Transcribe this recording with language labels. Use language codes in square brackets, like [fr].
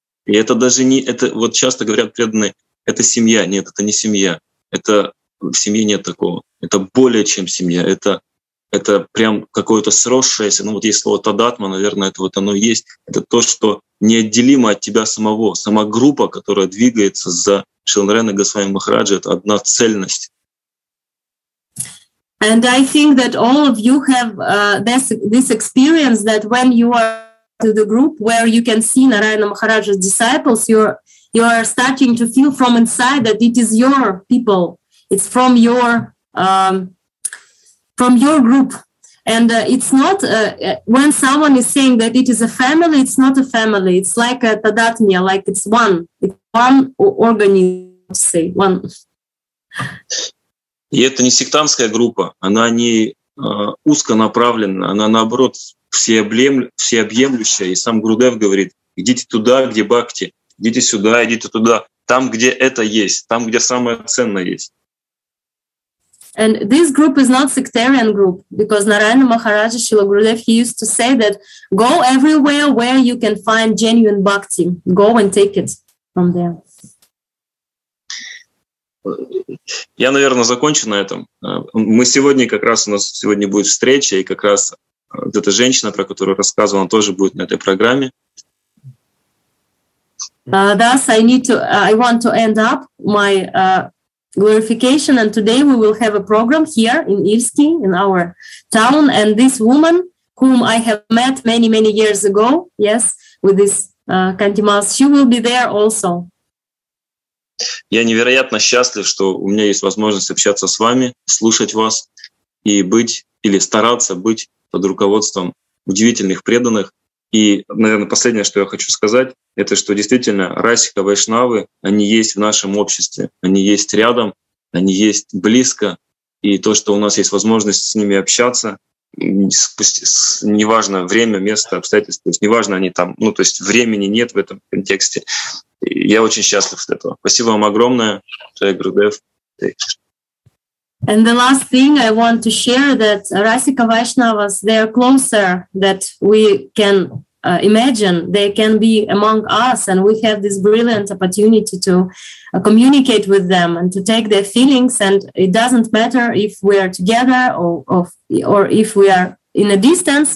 [ru] И это даже не, это вот часто говорят преданные, это семья, нет, это не семья, это в семье нет такого, это более чем семья, это прям какое-то сросшееся, ну вот есть слово тадатма, наверное, это вот оно есть, это то, что неотделимо от тебя самого, сама группа, которая двигается за Шрилы Нараяна Госвами Махараджа, это одна цельность. [en] And I think that all of you have this experience that when you are to the group where you can see Narayana Maharaja's disciples, you are starting to feel from inside that it is your people. It's from your group. And it's not when someone is saying that it is a family, it's not a family. It's like a tadatmya, like it's one. It's one organism, say, one. [ru] И это не сектантская группа, она не узконаправленна, она наоборот всеобъемлющая. И сам Гурудев говорит: идите туда, где бхакти, идите сюда, идите туда, там, где это есть, там, где самое ценное есть. [en] And this group is not sectarian group, because Narayana Maharaja Srila Gurudev, he used to say that go everywhere where you can find genuine bhakti, go and take it from there. [ru] Я, наверное, закончу на этом. Мы сегодня как раз, у нас сегодня будет встреча, и как раз вот эта женщина, про которую рассказывала, тоже будет на этой программе. [en] Thus, I want to end up my glorification, and today we will have a program here in Ильске, in our town, and this woman, whom I have met many years ago, yes, with this Кантимас, she will be there also. [ru] Я невероятно счастлив, что у меня есть возможность общаться с вами, слушать вас и быть или стараться быть под руководством удивительных преданных. И, наверное, последнее, что я хочу сказать, это что действительно Расика, Вайшнавы, они есть в нашем обществе, они есть рядом, они есть близко. И то, что у нас есть возможность с ними общаться, неважно время, место, обстоятельства, неважно они там, ну то есть времени нет в этом контексте. Я очень счастлив от этого. Спасибо вам огромное, Джай Гурудев. [en] And the last thing I want to share that Rasika Vaishnavas, they are closer that we can imagine. They can be among us, and we have this brilliant opportunity to communicate with them and to take their feelings. And it doesn't matter if we are together or if we are in a distance.